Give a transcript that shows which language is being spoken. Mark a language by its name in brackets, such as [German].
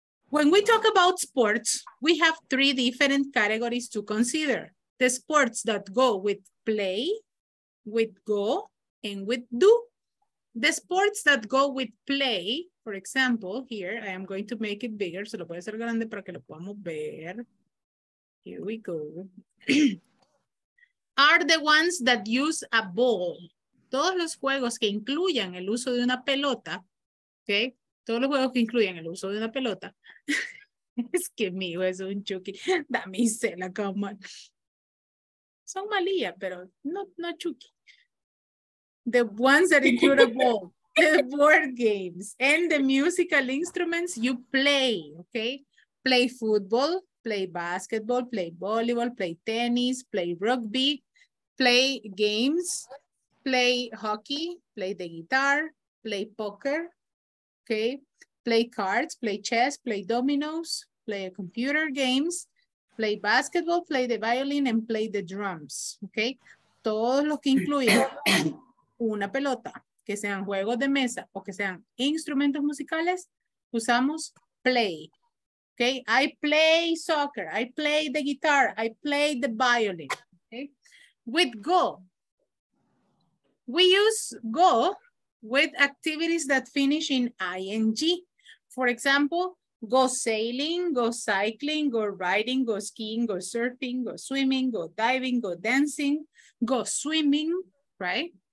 [English] When we talk about sports, we have three different categories to consider. The sports that go with play, with go, and with do. The sports that go with play, for example, here, I am going to make it bigger. [Spanish] Se lo voy a hacer grande para que lo podamos ver. [English] Here we go. Are the ones that use a ball. [Spanish] Todos los juegos que incluyan el uso de una pelota, okay? Todos los juegos que incluyan el uso de una pelota. Es que mi hijo es un chuki. Damisela, [English] come on. [Spanish] Son malilla, pero no chuki. [English] The ones that include a ball, the board games, and the musical instruments you play, okay? Play football, play basketball, play volleyball, play tennis, play rugby, play games, play hockey, play the guitar, play poker, okay? Play cards, play chess, play dominoes, play computer games, play basketball, play the violin, and play the drums, okay? [Spanish] Todos los que incluyen una pelota, que sean juegos de mesa o que sean instrumentos musicales, usamos play. [English] Okay, I play soccer, I play the guitar, I play the violin. Okay, with go, we use go with activities that finish in ing. For example, go sailing, go cycling, go riding, go skiing, go surfing, go swimming, go diving, go dancing, go swimming, right?